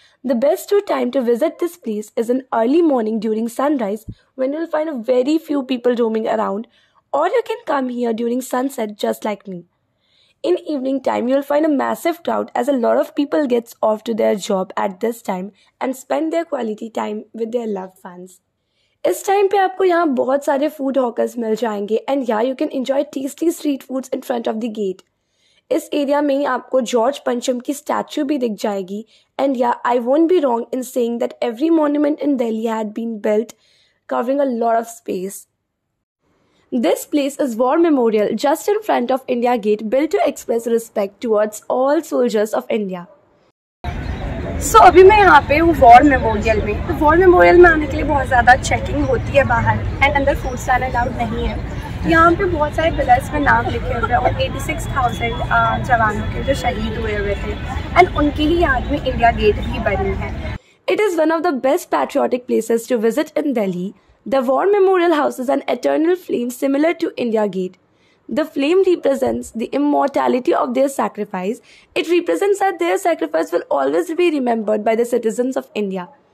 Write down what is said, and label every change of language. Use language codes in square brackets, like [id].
[en] The best time to visit this place is in early morning during sunrise when you'll find a very few people roaming around, or you can come here during sunset just like me. In evening time you'll find a massive crowd as a lot of people gets off to their job at this time and spend their quality time with their loved ones. [hi] इस time पे आपको यहाँ बहुत सारे food hawkers मिल जाएंगे and यहाँ [en] You can enjoy tasty street foods in front of the gate. [hi] इस area में ही आपको जॉर्ज पंचम की स्टैचू भी दिख जाएगी [en] And yeah I won't be wrong in saying that every monument in Delhi had been built covering a lot of space. This place is war memorial just in front of India gate built to express respect towards all soldiers of India. [hi] सो अभी मैं यहाँ पे हूँ war memorial में. तो war memorial में आने के लिए बहुत ज़्यादा चेकिंग होती है बाहर एंड अंदर फूड स्टॉल अलाउड नहीं है. यहाँ पे बहुत सारे पिलर्स में नाम लिखे हुए हैं और 86,000 जवानों के जो शहीद हुए हुए थे एंड उनके ही याद में इंडिया गेट भी बनी है. [en] It is one of the best patriotic places to visit in Delhi. The war memorial house is an eternal flame similar to India gate. The flame represents the immortality of their sacrifice. It represents that their sacrifice will always be remembered by the citizens of India.